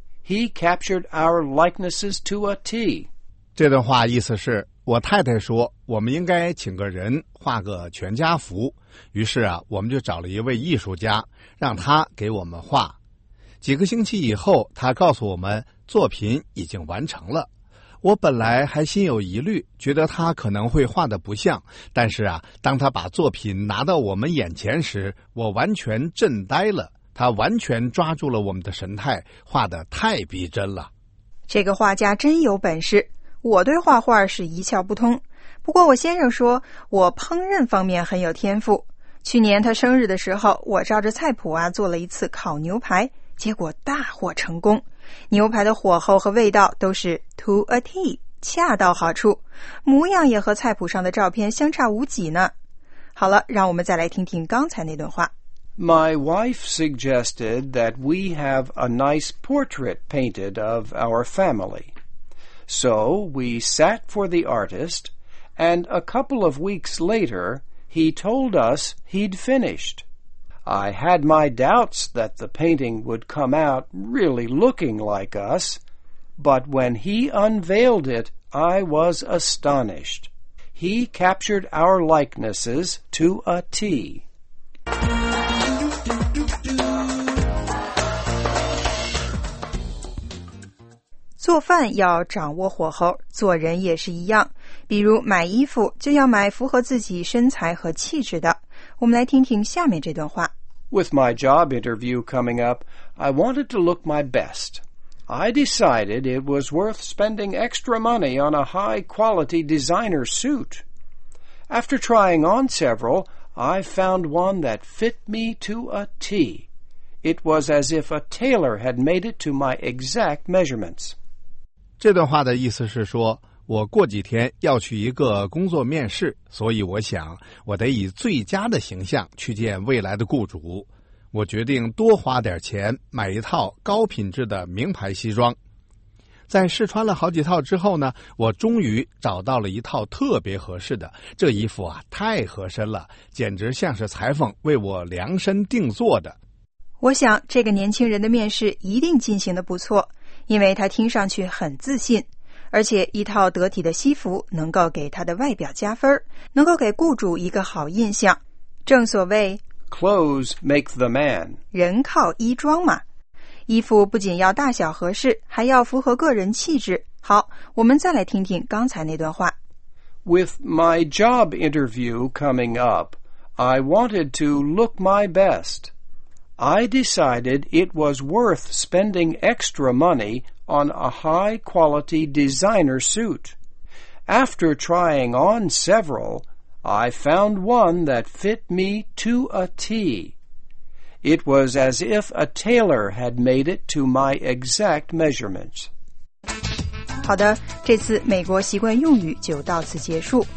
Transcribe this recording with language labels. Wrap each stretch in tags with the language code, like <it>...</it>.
<en>He captured our likenesses to a T.</en> <zh>这段话意思是，我太太说，我们应该请个人画个全家福。于是啊，我们就找了一位艺术家，让他给我们画。几个星期以后，他告诉我们作品已经完成了。我本来还心有疑虑，觉得他可能会画得不像，但是啊，当他把作品拿到我们眼前时，我完全震呆了。他完全抓住了我们的神态，画得太逼真了。这个画家真有本事，我对画画是一窍不通，不过我先生说我烹饪方面很有天赋。去年他生日的时候，我照着菜谱啊做了一次烤牛排，结果大获成功。牛排的火候和味道都是 to a T， 恰到好处，模样也和菜谱上的照片相差无几呢。好了，让我们再来听听刚才那段话。</zh> <en>My wife suggested that we have a nice portrait painted of our family. So we sat for the artist, and a couple of weeks later, he told us he'd finished. I had my doubts that the painting would come out really looking like us, but when he unveiled it, I was astonished. He captured our likenesses to a T.</en> <zh>做饭要掌握火候，做人也是一样。比如买衣服就要买符合自己身材和气质的。我们来听听下面这段话。</zh> <en>With my job interview coming up, I wanted to look my best. I decided it was worth spending extra money on a high-quality designer suit. After trying on several, I found one that fit me to a T. It was as if a tailor had made it to my exact measurements.</en> <zh>这段话的意思是说，我过几天要去一个工作面试，所以我想我得以最佳的形象去见未来的雇主。我决定多花点钱买一套高品质的名牌西装。在试穿了好几套之后呢，我终于找到了一套特别合适的。这衣服啊，太合身了，简直像是裁缝为我量身定做的。我想这个年轻人的面试一定进行得不错，因为他听上去很自信，而且一套得体的西服能够给他的外表加分，能够给雇主一个好印象。正所谓</zh> <en>Clothes make the man，</en> <zh>人靠衣装嘛。衣服不仅要大小合适，还要符合个人气质。好，我们再来听听刚才那段话。</zh> <en>With my job interview coming up, I wanted to look my bestI decided it was worth spending extra money on a high-quality designer suit. After trying on several, I found one that fit me to a T. It was as if a tailor had made it to my exact measurements.</en> <zh>好的，这次美国习惯用语就到此结束。</zh>